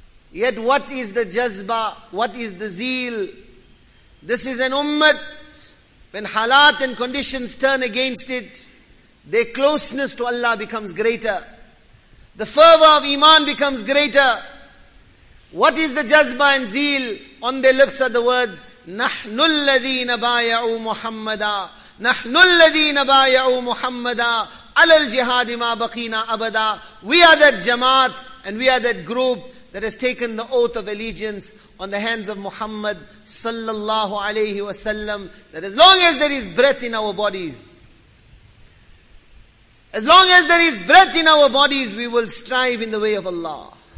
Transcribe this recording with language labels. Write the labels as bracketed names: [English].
[English] Yet what is the jazba? What is the zeal? This is an ummah. When halat and conditions turn against it, their closeness to Allah becomes greater. The fervor of iman becomes greater. What is the jazba and zeal? On their lips are the words, [Arabic] نَحْنُ الَّذِينَ بَايَعُوا مُحَمَّدًا نَحْنُ الَّذِينَ بَايَعُوا مُحَمَّدًا عَلَى الْجِهَادِ مَا بَقِينَا أَبَدًا. [English] We are that jamaat and we are that group that has taken the oath of allegiance on the hands of Muhammad sallallahu alayhi wa sallam, that as long as there is breath in our bodies, as long as there is breath in our bodies, we will strive in the way of Allah.